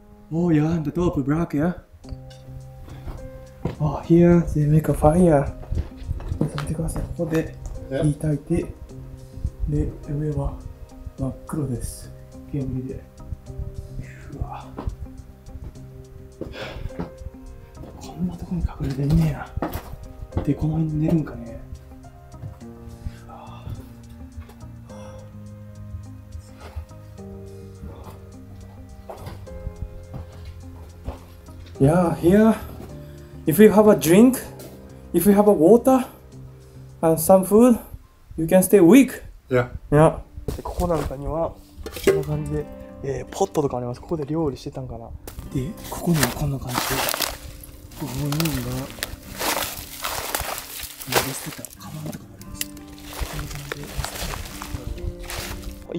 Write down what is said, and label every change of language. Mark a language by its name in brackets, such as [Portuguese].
[English] Oh yeah, and the top is black, yeah. Oh, here they make a fire. [Japanese] 見てください、ここで火焚いて、で上は真っ黒です、煙で。うわ、こんなとこに隠れてんねや。でこの辺で寝るんかね。 [English] Yeah, here, if you have a drink, if you have a water and some food, you can stay weak. Yeah. Yeah. [Japanese] ここなんかにはこんな感じで、ポットとかあります。ここで料理してたんかな。で、ここにはこんな感じで、ここにいるのが、捨てたカバンとかあります。こんな感じで。